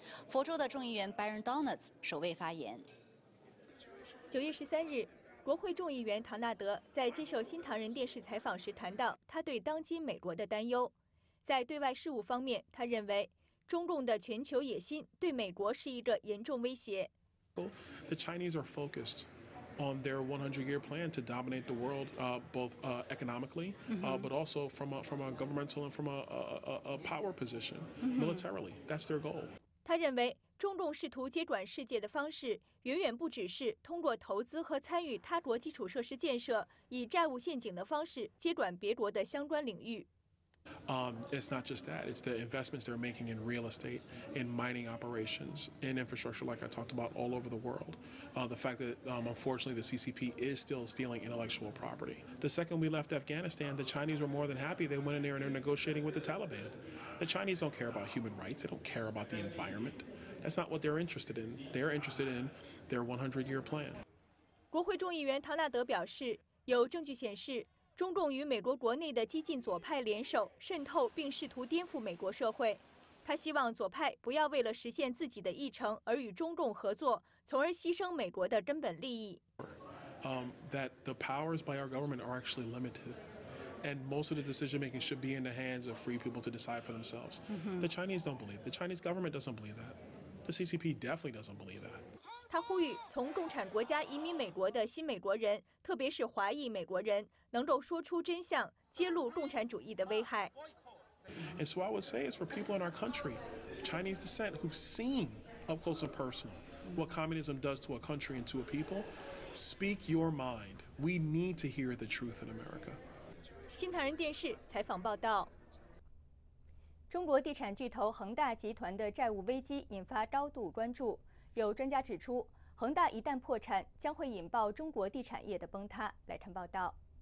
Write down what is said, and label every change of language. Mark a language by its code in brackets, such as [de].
[zh] 佛州的众议员 Byron Donuts 首位发言。 9月13日，国会众议员唐纳德在接受新唐人电视采访时谈到他对当今美国的担忧。在对外事务方面，他认为中共的全球野心对美国是一个严重威胁。 [en] The Chinese are focused on their 100-year plan to dominate the world, both economically, but also from a governmental and from a power position, militarily. That's their goal. [zh] 他认为，中共试图接管世界的方式，远远不只是通过投资和参与他国基础设施建设，以债务陷阱的方式接管别国的相关领域。 [en] It's not just that. It's the investments they're making in real estate, in mining operations, in infrastructure, like I talked about, all over the world. The fact that, unfortunately, the CCP is still stealing intellectual property. The second we left Afghanistan, the Chinese were more than happy. They went in there and they're negotiating with the Taliban. The Chinese don't care about human rights. They don't care about the environment. That's not what they're interested in. They're interested in their 100-year plan. [zh] 国会众议员唐纳德表示，有证据显示中共与美国国内的激进左派联手渗透，并试图颠覆美国社会。他希望左派不要为了实现自己的议程而与中共合作，从而牺牲美国的根本利益。 [en] That the powers by our government are actually limited, and most of the decision making should be in the hands of free people to decide for themselves. The Chinese don't believe. The Chinese government doesn't believe that. The CCP definitely doesn't believe that. [zh] 他呼吁从共产国家移民美国的新美国人，特别是华裔美国人，能够说出真相，揭露共产主义的危害。 [en] And so I would say is for people in our country, Chinese descent who've seen up close and personal what communism does to a country and to a people, speak your mind. We need to hear the truth in America. [zh] 新唐人电视采访报道。中国地产巨头恒大集团的债务危机引发高度关注。有专家指出，恒大一旦破产，将会引爆中国地产业的崩塌。来看报道。